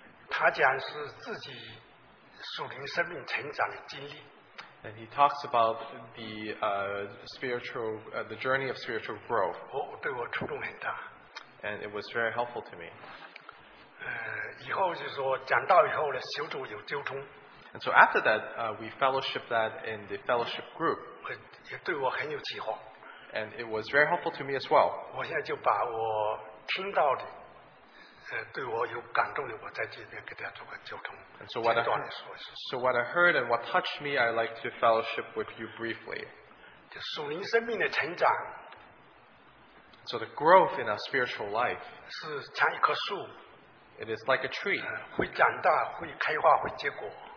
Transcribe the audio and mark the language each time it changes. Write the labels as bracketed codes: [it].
[zh] 他讲是自己属灵生命成长的经历。 [en] And he talks about the spiritual, the journey of spiritual growth. [zh] 对我触动很大。 [en] And it was very helpful to me. [zh] 以后就是说讲道以后呢，小组有交通。 [en] And so after that, we fellowshiped that in the fellowship group. [zh] 也对我很有启发。 [en] And it was very helpful to me as well. [zh] 我现在就把我听到的。对我有感动的，我在这边给大家做个交通。 [en] And so what I heard, and what touched me, I'd like to fellowship with you briefly. [zh] 就属灵生命的成长, [en] so the growth in our spiritual life [zh] 是像一棵树, [en] it is like a tree. [zh] 会长大, 会开花, 会结果,